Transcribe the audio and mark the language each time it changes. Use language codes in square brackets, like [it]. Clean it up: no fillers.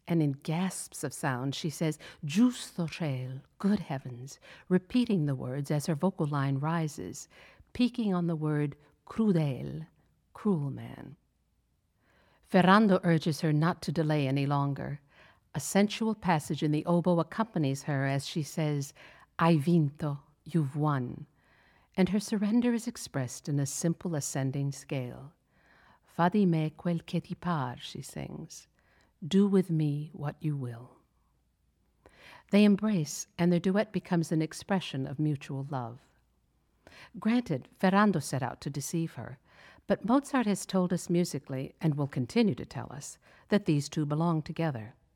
[en] And in gasps of sound, she says, [it] "Giusto cielo, [en] good heavens," repeating the words as her vocal line rises, peaking on the word crudel, cruel man. Ferrando urges her not to delay any longer. A sensual passage in the oboe accompanies her as she says, [it] "Hai vinto, [en] you've won," and her surrender is expressed in a simple ascending scale. [it] "Fa di me quel che ti par," she sings. [en] "Do with me what you will." They embrace, and their duet becomes an expression of mutual love. Granted, Ferrando set out to deceive her, but Mozart has told us musically, and will continue to tell us, that these two belong together.